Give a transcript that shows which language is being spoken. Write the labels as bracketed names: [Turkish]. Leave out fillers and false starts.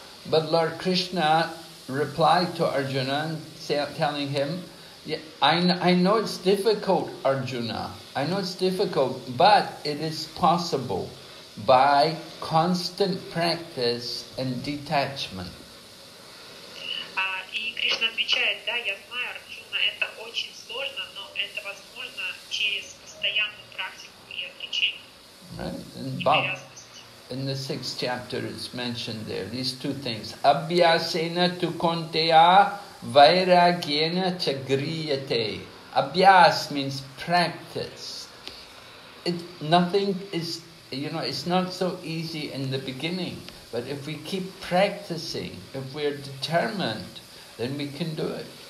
[English] But Lord Krishna replied to Arjuna, telling him, yeah, I know it's difficult, Arjuna. I know it's difficult, but it is possible by constant practice and detachment. [Russian] И Кришна отвечает, да, я знаю, Арджуна, это очень сложно, но это возможно через постоянную практику и отречение. [English] Right. And in the sixth chapter it's mentioned there, these two things. [Sanskrit] Abhyasena tu konteya vairagyena cha griyate. [English] Abhyas means practice. It's not so easy in the beginning, but if we keep practicing, if we are determined, then we can do it.